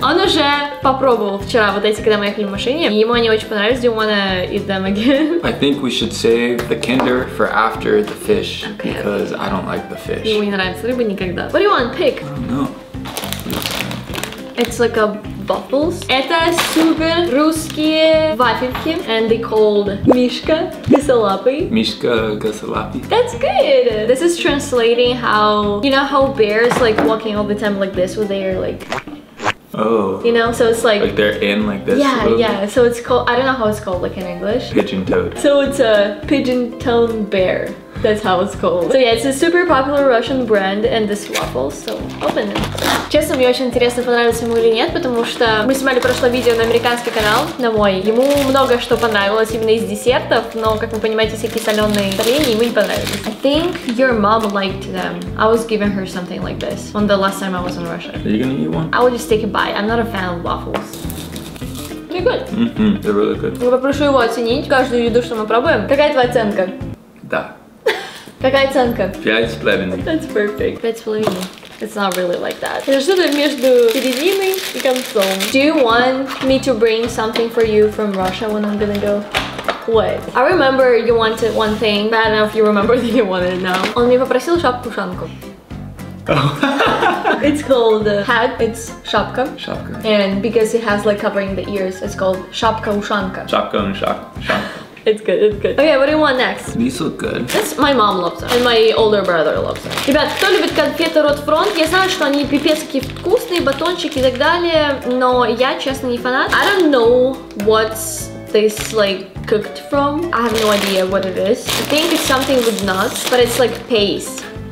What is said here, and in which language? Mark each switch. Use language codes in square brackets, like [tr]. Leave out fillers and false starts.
[ru] Он уже попробовал вчера вот эти, когда мы ехали в машине. И ему они очень понравились. [en] Do you want to eat them again? I think we should save the Kinder for after the fish. Okay. Because I don't like the fish. [ru] Ему не нравится рыба никогда. [en] What do you want? Pick. I don't know. It's like a bubbles. [ru] Это супер русские вафельки. [en] And they called Мишка. Косолапый. [ru] Мишка косолапый. [en] That's good. This is translating how, you know, how bears like walking all the time like this with their like... Oh. You know, so it's like... Like they're in like this. Yeah, yeah. Bit. So it's called, I don't know how it's called like in English. Pigeon-toed. So it's a pigeon-toed bear. That's how it's called. So yeah, it's a super popular Russian brand and this waffle, so open it. [ru] Честно, мне очень интересно, понравилось ему или нет, потому что мы снимали прошлое видео на американский канал, на мой. Ему много что понравилось именно из десертов, но, как вы понимаете, всякие соленые варенья ему не понравились. [en] I think your mom liked them. I was giving her something like this on the last time I was in Russia. Are you gonna eat one? I will just take a bite. I'm not a fan of waffles. They're good. Mm-hmm, they're really good. [ru] Я попрошу его оценить каждую еду, что мы пробуем. Какая твоя оценка? Да. Какая оценка? 5.5. [en] That's perfect. 5.5. It's not really like that. [ru] Это что-то между серединой и концом. [en] Do you want me to bring something for you from Russia when I'm gonna go? What? I remember you wanted one thing. I don't know if you remember that you wanted it now. [ru] Он мне попросил шапку-ушанку. [en] Oh. It's called hat. It's шапка. [ru] Шапка. [en] And because it has like covering the ears, it's called шапка-ушанка. [ru] Шапка-ушанка. [en] It's good, it's good. Okay, what do you want next? These look good. This my mom loves them. And my older brother loves them. [ru] Ребят, кто любит конфеты Рот Фронт? Я знаю, что они пипец какие вкусные, батончики и так далее, но я, честно, не фанат. [en] I don't know what's this, like, cooked from. I have no idea what it is. I think it's something with nuts, but it's like paste.